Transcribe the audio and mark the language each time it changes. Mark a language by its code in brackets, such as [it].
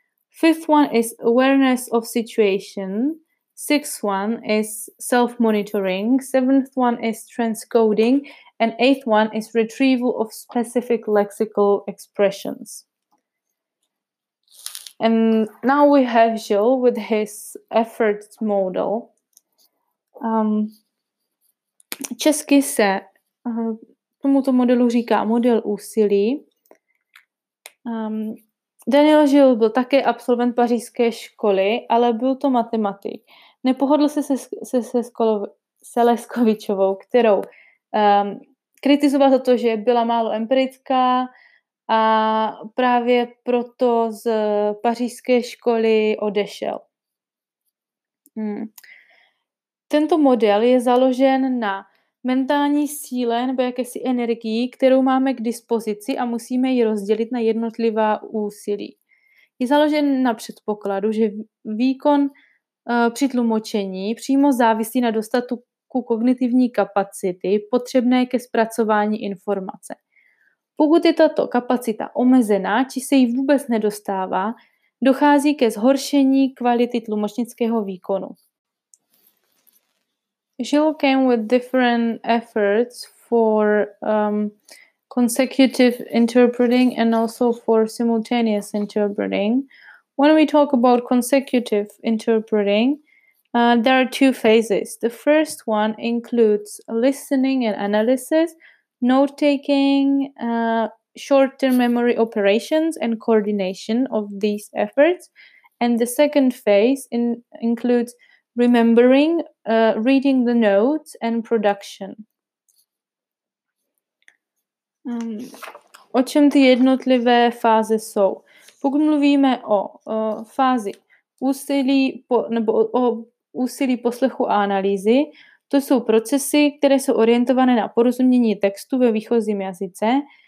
[en] Fifth one is awareness of situation. Sixth one is self-monitoring. Seventh one is transcoding. And eighth one is retrieval of specific lexical expressions. And now we have Jill with his effort model. [cs] Česky se tomuto modelu říká model úsilí. Daniel Jill byl také absolvent pařížské školy, ale byl to matematik. Nepohodl se se Leskovičovou, kterou kritizoval za to, že byla málo empirická, a právě proto z pařížské školy odešel. Tento model je založen na mentální síle nebo jakési energii, kterou máme k dispozici a musíme ji rozdělit na jednotlivá úsilí. Je založen na předpokladu, že výkon při tlumočení přímo závisí na dostatku kognitivní kapacity potřebné ke zpracování informace. Pokud je tato kapacita omezená, či se jí vůbec nedostává, dochází ke zhoršení kvality tlumočnického výkonu. [en] Jill came with different efforts for consecutive interpreting and also for simultaneous interpreting. When we talk about consecutive interpreting, there are two phases. The first one includes listening and analysis, note-taking, short-term memory operations, and coordination of these efforts. And the second phase includes remembering, reading the notes, and production. [cs] O čem ty jednotlivé fáze jsou? Pokud mluvíme o fázi úsilí o úsilí poslechu a analýzy, to jsou procesy, které jsou orientované na porozumění textu ve výchozím jazyce.